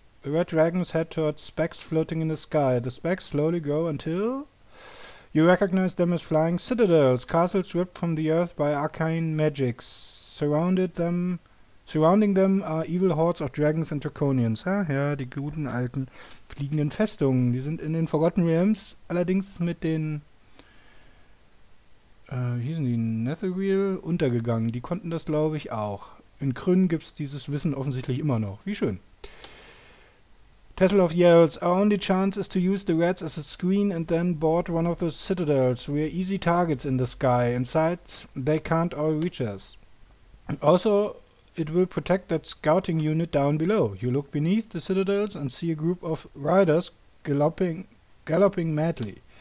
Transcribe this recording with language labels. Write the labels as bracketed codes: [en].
[en] The red dragons head towards specks floating in the sky. The specks slowly grow until you recognize them as flying citadels, castles ripped from the earth by arcane magics. Surrounding them are evil hordes of dragons and draconians. [de] Ja, die guten alten fliegenden Festungen. Die sind in den Forgotten Realms, allerdings mit den Hier sind die Netherreal untergegangen. Die konnten das, glaube ich, auch. In Krünn gibt es dieses Wissen offensichtlich immer noch. Wie schön. [en] Tessel of yells, our only chance is to use the rats as a screen and then board one of the citadels. We are easy targets in the sky. Inside, they can't all reach us. Also, it will protect that scouting unit down below. You look beneath the citadels and see a group of riders galloping madly.